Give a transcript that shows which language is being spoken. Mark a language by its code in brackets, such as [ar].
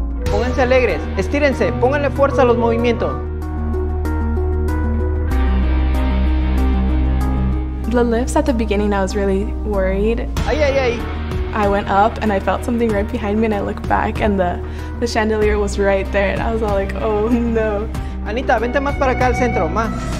[es] Pónganse alegres, estírense, pónganle fuerza a los movimientos. [en] The lifts at the beginning, I was really worried. Ay, ay, ay. I went up and I felt something right behind me and I looked back and the chandelier was right there and I was all like, oh no. [es] Anita, vente más para acá al centro, más.